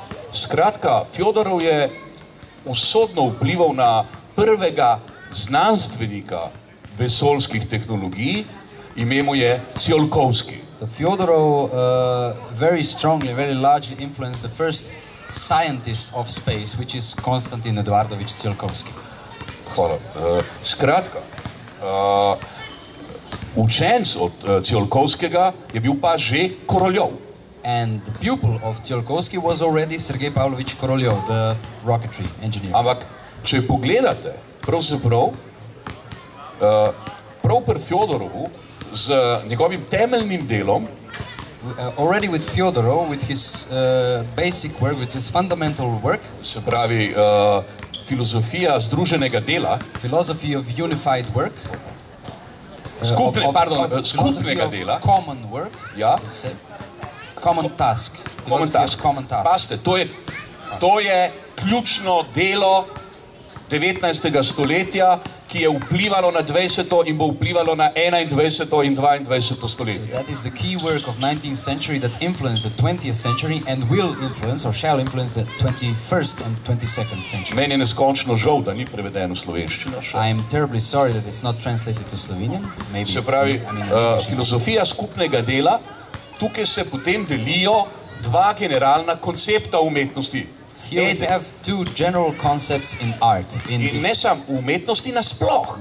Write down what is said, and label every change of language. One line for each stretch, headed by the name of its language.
Slovenian: Skratka, Fjodorov je usodno vplival na prvega znanstvenika vesoljskih tehnologij, ime mu je Tsiolkovski.
English: So Fjodorov very strongly, very largely influenced the first scientist of space, which is Konstantin Eduardovič Tsiolkovski.
Slovenian: Hvala. Skratka, učenc od Tsiolkovskega je bil pa že Koroljov.
English: And the pupil of Tsiolkovski was already Sergej Pavlovič Koroljov, the rocketry engineer.
Slovenian: Ampak če pogledate, pravzaprav, prav pri Fjodorovu, z njegovim temeljnim delom,
English: Already with Fyodorov, with his basic work, with his fundamental work.
Slovenian: Se pravi, filozofija združenega dela.
English: Philosophy of unified work.
Slovenian: Skupnega dela.
English: Common work.
Slovenian: Ja.
English: Common task. Common task. Common task.
Slovenian: Paste, to je ključno delo 19. stoletja, ki je vplivalo na 20. in bo vplivalo na 21. in 22. stoletje.
English: So that is the key work of 19th century that influenced the 20th century and will influence or shall influence the 21st and 22nd century.
Slovenian: Meni je neskončno žal, da ni prevedeno v slovenščino.
English: I am terribly sorry that it's not translated to Slovenian. Maybe
Slovenian: se pravi, filozofija skupnega dela, tukaj se potem delijo dva generalna koncepta umetnosti.
English: Here we have two general concepts in art.
Slovenian: In ne sam v umetnosti nasploh.